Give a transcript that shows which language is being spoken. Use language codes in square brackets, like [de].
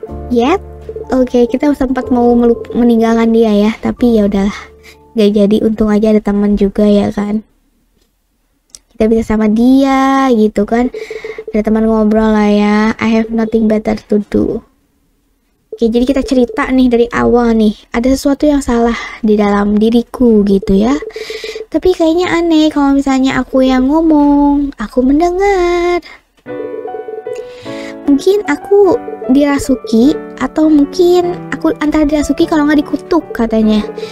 [id] Yep, oke, kita sempat mau meninggalkan dia ya, tapi ya udahlah, nggak jadi. Untung aja ada teman juga ya kan, kita bisa sama dia gitu kan, ada teman ngobrol lah ya. [en] I have nothing better to do. [id] Oke, jadi kita cerita nih dari awal nih. Ada sesuatu yang salah di dalam diriku gitu ya. Tapi kayaknya aneh kalau misalnya aku yang ngomong. Aku mendengar. Mungkin aku dirasuki. Atau mungkin aku antara dirasuki kalau nggak dikutuk katanya.